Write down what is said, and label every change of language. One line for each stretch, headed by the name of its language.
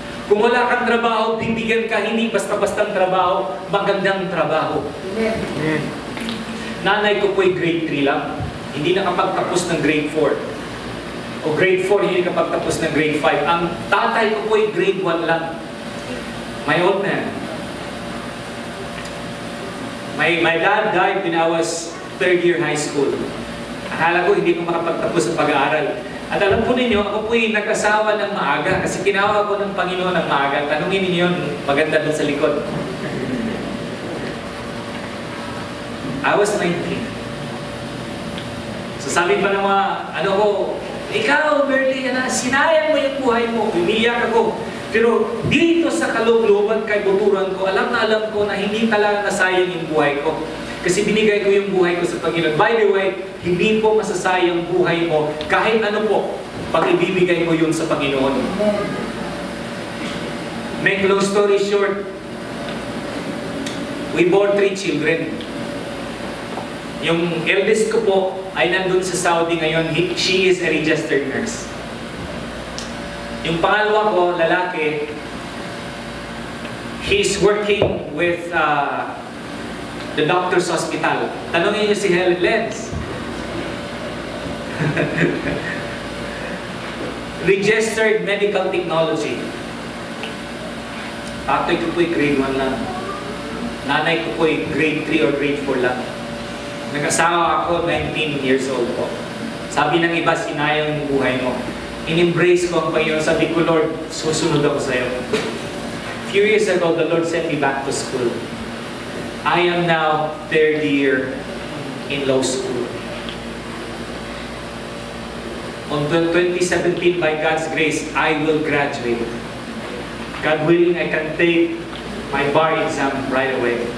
Filipino: Kung wala kang trabaho, bibigyan ka hindi basta-bastang trabaho, magandang trabaho. Amen. Nanay ko po'y grade 3 lang. Hindi nakapagtapos ng grade 4. O grade 4, hindi nakapagtapos ng grade 5. Ang tatay ko po'y grade 1 lang.
English: My old man. My dad died when I was third year high school.
Filipino: Akala ko hindi ko makapagtapos sa pag-aaral. At alam po ninyo, ako po'y nag-asawa ng maaga kasi kinawa ko ng Panginoon ng maaga. Tanungin ninyo, maganda doon sa likod.
English: I was 19.
Filipino: So sabi pa ng mga, ano ko, ikaw, Berlie, sinayang mo yung buhay mo. Umiyak ako. Pero dito sa kalugluban kay buturan ko, alam na alam ko na hindi talaga nasayang yung buhay ko. Kasi binigay ko yung buhay ko sa Panginoon.
English: By the way,
Filipino: hindi po masasayang buhay mo kahit ano po pag ibibigay mo yun sa Panginoon.
English: Make long story short, we bore 3 children.
Filipino: Yung eldest ko po ay nandun sa Saudi ngayon.
English: She is a registered nurse.
Filipino: Yung pangalawa ko, lalaki,
English: he's working with the doctor's hospital.
Filipino: Tanongin niyo si Helen Lenz.
English: Registered medical technology.
Filipino: Tatay ko po'y grade 1 lang. Nanay ko po'y grade 3 or grade 4 lang. Nag-asawa ako, 19 years old po. Sabi ng iba, sinayang yung buhay mo. In-embrace ko ang Panginoon. Sabi ko, Lord, susunod ako sa'yo.
English: Few years ago, the Lord sent me back to school. I am now third year in law school. On 2017, by God's grace, I will graduate. God willing, I can take my bar exam right away.